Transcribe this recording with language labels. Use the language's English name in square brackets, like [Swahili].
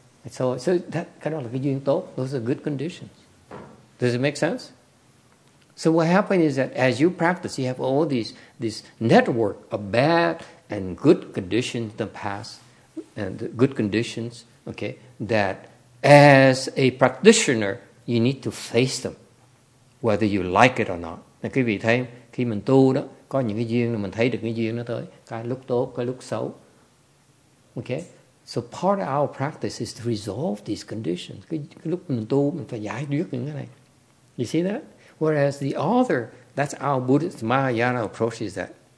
[English] So that kind of [Vietnamese] là cái duyên tốt. [English] Those are good conditions. Does it make sense? So what happened is that as you practice, you have all this network of bad and good conditions in the past, and the good conditions, okay, that as a practitioner, you need to face them, whether you like it or not. [Vietnamese] Nên quý vị thấy, khi mình tu đó, có những cái duyên, mình thấy được cái duyên nó tới, cái lúc tốt, cái lúc xấu. [English] Okay? So part of our practice is to resolve these conditions. [Vietnamese] Cái lúc mình tu, mình phải giải quyết những cái này. [English] You see that? Whereas the other, that's our Buddhist Mahayana approach is that.